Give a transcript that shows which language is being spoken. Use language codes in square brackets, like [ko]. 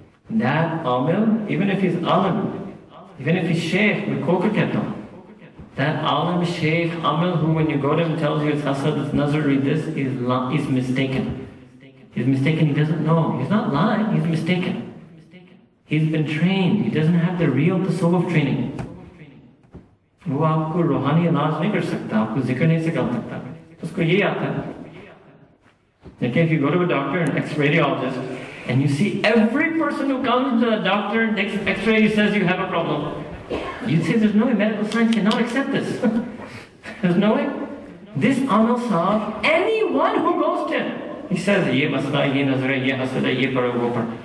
[en] That amil, even if he's alim, even if he's sheikh, we koka keto. That alim, sheikh, amil, who when you go to him tells you it's hasad, it's nazar, read this, he's mistaken. He's mistaken, he doesn't know. He's not lying, he's mistaken. He's been trained, he doesn't have the real tasawwuf training. [ur] وہ آپ کو روحانی علاج نہیں کر سکتا, آپ کو ذکر نہیں سکھا سکتا, اس کو یہ آتا ہے. لیکن [en] if you go to a doctor, an ex-radiologist, and you see every person who comes to the doctor and takes an x-ray, he says you have a problem, you'd say there's no way, medical science cannot accept this. There's no way. This amal sahab, anyone who goes to him, he says, [ur] یہ مسئلہ, یہ نظرہ, یہ حسدہ, یہ پر, وہ پر.